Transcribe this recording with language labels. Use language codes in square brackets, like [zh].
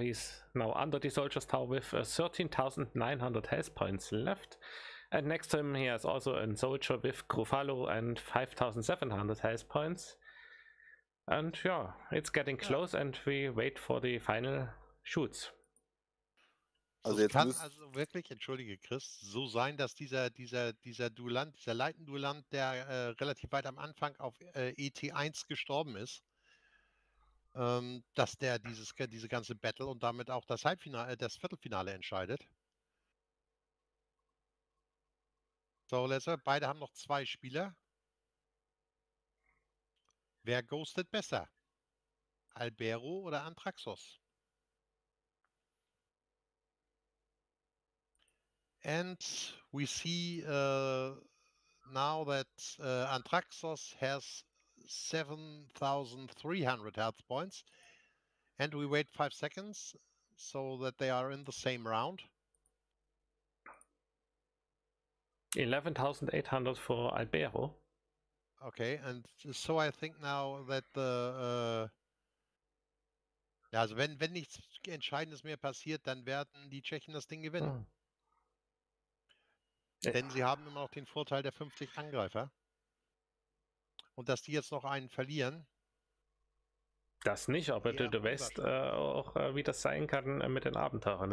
[en] He's now under the soldiers tower with 13,900 health points left. And next to him, he has also a soldier with Grufalo and 5,700 health points. And yeah, it's getting close and we wait for the final shoots. [de] Also jetzt kann also wirklich, entschuldige Chris, so sein, dass dieser Duellant, dieser Leitenduellant, der relativ weit am Anfang auf ET1 gestorben ist, dass der diese ganze Battle und damit auch das Halbfinale, das Viertelfinale entscheidet. So, Lesser, beide haben noch zwei Spieler. Wer ghostet besser? Albero oder Antraxos? [en] And we see now that Antraxos has 7,300 health points. And we wait 5 seconds so that they are in the same round. 11,800 for Albero. Okay, and so I think now that the... [de] also wenn nichts Entscheidendes mehr passiert, dann werden die Tschechen das Ding gewinnen. Denn sie haben immer noch den Vorteil der 50 Angreifer. Und dass die jetzt noch einen verlieren... Das nicht, aber du weißt auch, wie das sein kann mit den Abenteurern.